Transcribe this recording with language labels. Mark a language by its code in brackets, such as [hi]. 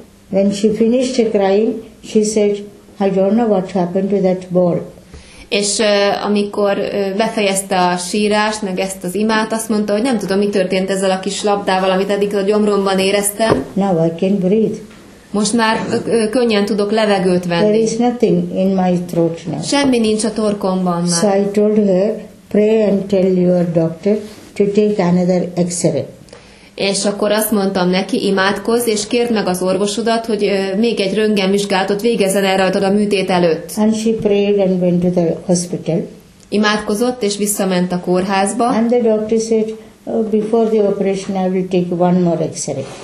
[en] When she finished crying, she said, I don't know what happened to that ball. [hu] És amikor befejezte a sírást, meg ezt az imát, azt mondta, hogy nem tudom, mi történt ezzel a kis labdával, amit eddig a gyomromban éreztem. [en] Now I can breathe. [hu] Most már könnyen tudok levegőt venni. [en] There is nothing in my throat now. [hu] Semmi nincs a torkomban már. [en] So I told her, pray and tell your doctor to take another x-ray. [hu] És akkor azt mondtam neki, imádkozz, és kérd meg az orvosodat, hogy még egy röntgenvizsgálatot végezzen el rajtad a műtét előtt. [en] And she prayed and went to the hospital. [hu] Imádkozott, és visszament a kórházba. [en] And the doctor said, before the operation I will take one more x-ray.